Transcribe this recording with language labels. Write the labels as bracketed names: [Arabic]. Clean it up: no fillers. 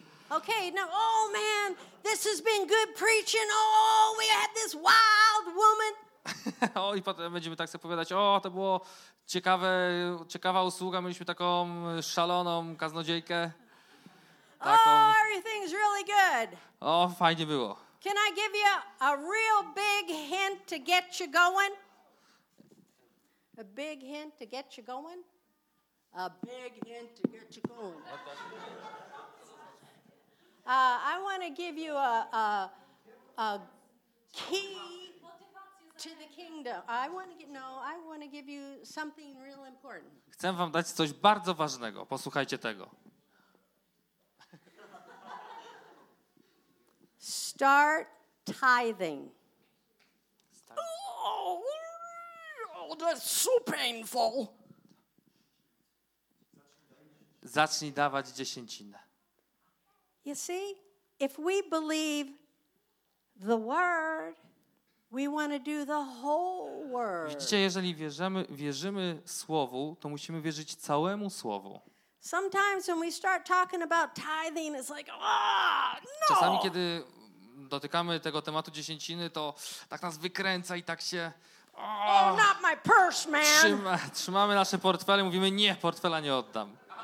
[English] Okay, now, oh man, this has been good preaching. Oh, we had this wild woman. [Polish] O, i potem będziemy tak sobie opowiadać. O, to było ciekawe, ciekawa usługa. Mieliśmy taką szaloną kaznodziejkę. [English] Oh, everything's really good. [Polish] O, fajnie było. [English] Can I give you a real big hint to get you going? A big hint to get you going? A big hint to get you going. I want to give you a key to the kingdom. I want to give you something real important. [Polish] Chcę wam dać coś bardzo ważnego. Posłuchajcie tego. [English] Start tithing. Oh, that's so painful. [Polish] Zacznij dawać dziesięcinę. [English] You see, if we believe the word, we want to do the whole word. [Polish] Widzicie, jeżeli wierzymy słowu, to musimy wierzyć całemu słowu. [English] Sometimes when we start talking about tithing, it's like, ah, no. [Polish] Czasami kiedy dotykamy tego tematu dziesięciny, to tak nas wykręca i tak się [English] not my purse, man. [Polish] Trzymamy nasze portfele, mówimy nie, portfela nie oddam.